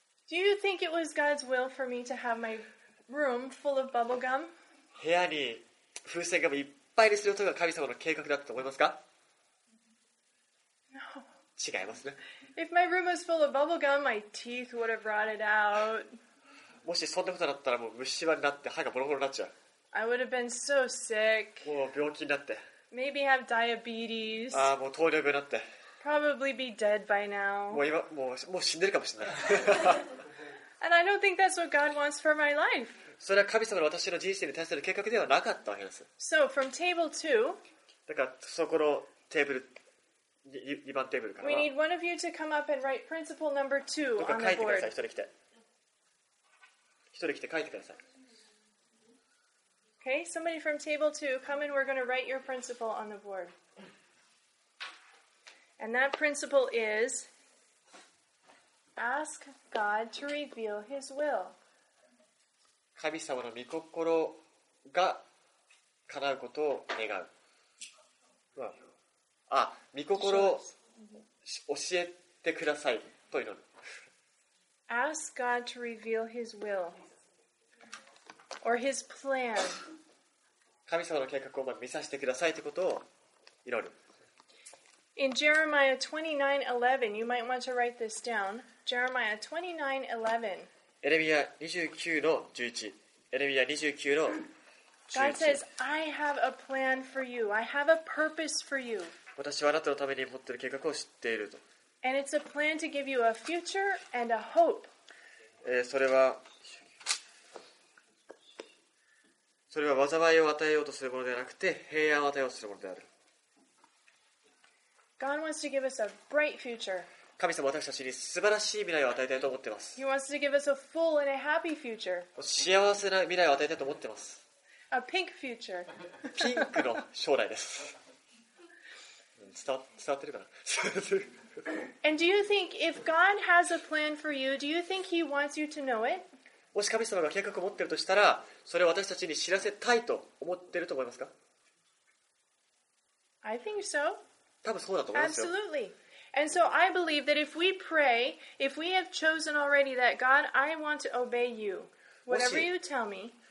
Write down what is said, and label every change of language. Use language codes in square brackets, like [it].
[en] Do you think it was God's will for me to have my room full of bubble gum? [ja] 部屋に風船ガムいっぱいにすることが神様の計画だったと思いますか？ [en] No. [ja] 違いますね。 [en] If my room was full of bubble gum, my teeth would have rotted out. [ja] もしそんなことだったらもう虫歯になって歯がボロボロになっちゃう。 [en] I would have been so sick. [ja] もう病気になって。 [en] Maybe have diabetes. [ja] ああ、もう糖尿病になって。 [en] Probably be dead by now. [ja] もう死んでるかもしれない。 [en] And I don't think that's what God wants for my life. [ja] それは神様の私の人生に対する計画ではなかったわけです。 [en] So from table two. [ja] だからそこのテーブル。 2番テーブルから [en] We need one of you to come up and write principle number two on the board. [ja] 書いてください。一人来て。一人来て書いてください。 [en] Okay, somebody from table two, come and we're going to write your principle on the board. And that principle is ask God to reveal His will. [ja] 神様の御心が叶うことを願う。あ、御心を教えてくださいと祈る。 [en] Ask God to reveal His will or His plan. [ja] 神様の計画を見させてくださいということを祈る。 [en] In Jeremiah 29:11, you might want to write this down. Jeremiah 29:11. [ja] エレミヤ29の11。エレミヤ29の11。 [en] God says, I have a plan for you. I have a purpose for you. [ja] 私はあなたのために持っている計画を知っていると。 [en] And it's a plan to give you a future and a hope. [ja] それは災いを与えようとするものではなくて、平安を与えようとするものである。 [en] God wants to give us a bright future. [ja] 神様は私たちに素晴らしい未来を与えたいと思っています。 [en] He wants to give us a full and a happy future. [ja] 幸せな未来を与えたいと思っています。 [en] A pink future. [ja] ピンクの将来です。伝わってるかな? [en] And do you think if God has a plan for you, do you think He wants you to know it? [ja] もし神様が計画を持っているとしたら、それを私たちに知らせたいと思っていると思いますか? [en] I think so. [ja] 多分そうだと思いますよ。 [en] Absolutely. And so I believe that if we pray, if we have chosen already that God, I want to obey you, whatever you tell me.